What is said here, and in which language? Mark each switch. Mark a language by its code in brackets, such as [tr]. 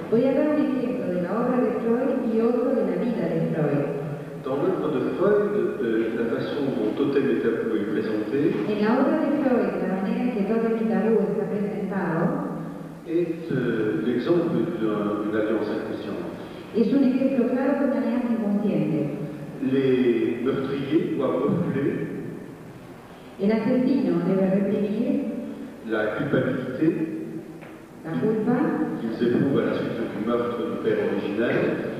[es] Voy a dar un ejemplo de la obra de Freud y otro de la vida de Freud. [fr] Dans l'œuvre de Freud, la façon dont Totem et Tabou est présenté. [es] En la obra de Freud, la manera que Totem y Tabou está presentado. [fr] Est l'exemple d'une alliance inconsciente. [es] Es un ejemplo claro de una alianza inconsciente. [fr] Les meurtriers doivent reculer. [es] El asesino debe reprimir [fr] la culpabilité [es] la culpa [fr] qu'ils éprouvent à la suite du meurtre du père original